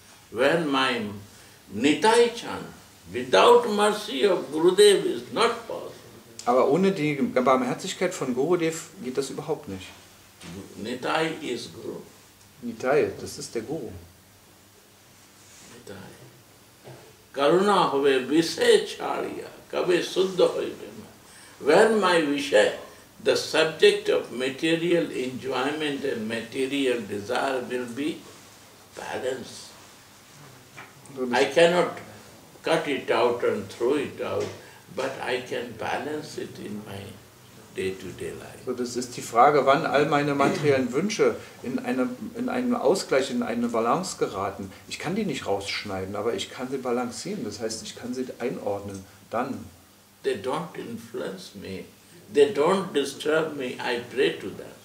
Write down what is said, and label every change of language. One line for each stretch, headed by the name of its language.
English: When my Nitai Chand without mercy of Gurudev is not possible.
German: Aber ohne die Barmherzigkeit von Gurudev geht das überhaupt nicht.
English: Nitai is Guru.
German: Nitai, das ist der Guru.
Bangla: Nitai. Karuna hove vishay chariya, kave suddha hove.
English: When my vishay, the subject of material enjoyment and material desire will be balanced. I cannot cut it out and throw it out, but I can balance it in my day-to-day life.
German: So das ist die Frage, wann all meine materiellen Wünsche in einen Ausgleich, in eine Balance geraten. Ich kann die nicht rausschneiden, aber ich kann sie balancieren. Das heißt, ich kann sie einordnen. Dann.
English: They don't influence me. They don't disturb me. I pray to them.